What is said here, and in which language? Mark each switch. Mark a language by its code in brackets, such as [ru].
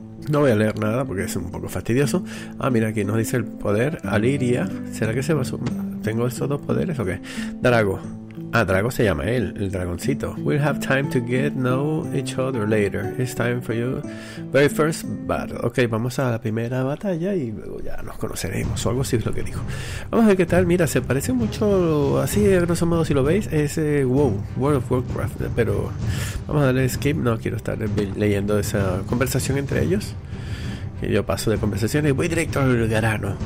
[es] No voy a leer nada porque es un poco fastidioso. Ah, mira, aquí nos dice el poder. Aliria. ¿Será que se va a sumar? ¿Tengo esos dos poderes o qué? Drago. Ah, Drago se llama él, el dragoncito. [en] We'll have time to get know each other later. It's time for your very first battle. [es] Ok, vamos a la primera batalla y luego ya nos conoceremos. O algo así es lo que dijo. Vamos a ver qué tal. Mira, se parece mucho, así a grosso modo, si lo veis, es World of Warcraft. Pero vamos a darle skip. No quiero estar leyendo esa conversación entre ellos. Yo paso de conversaciones y voy directo al grano.